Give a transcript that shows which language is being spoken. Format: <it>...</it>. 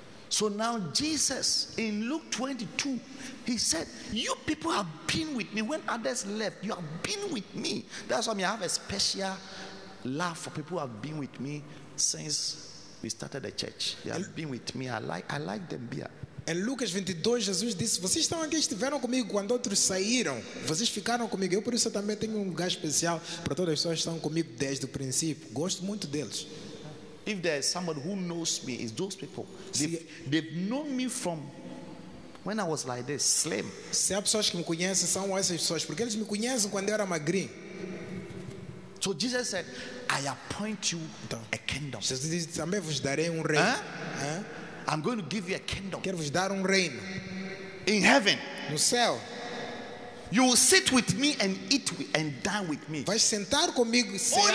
<en>So now Jesus in Luke 22, he said, you people have been with me when others left. You have been with me. That's why I have a special love for people who have been with me since we started the church. They have been with me. I like them here.</en> <pt>Em Lucas 22, Jesus disse, vocês estão aqui, estiveram comigo quando outros saíram. Vocês ficaram comigo. Eu, por isso, também tenho um lugar especial para todas as pessoas que estão comigo desde o princípio. Gosto muito deles.</pt> <en>If there is someone who knows me, it's those people. They've known me from when I was like this, slim.</en> <pt>Se há pessoas que me conhecem, são essas pessoas, porque eles me conhecem quando eu era magrinho.</pt> <en>So Jesus said, I appoint you a kingdom.</en> <pt>Jesus disse, também vos darei um reino.</pt> <en>I'm going to give you a kingdom.</en> <pt>Quero vos dar reino.</pt> <en>In heaven.</en> <pt>No céu.</pt> <en>You will sit with me and eat with, and dine with me.</en> <pt>Vai sentar comigo e cear</pt>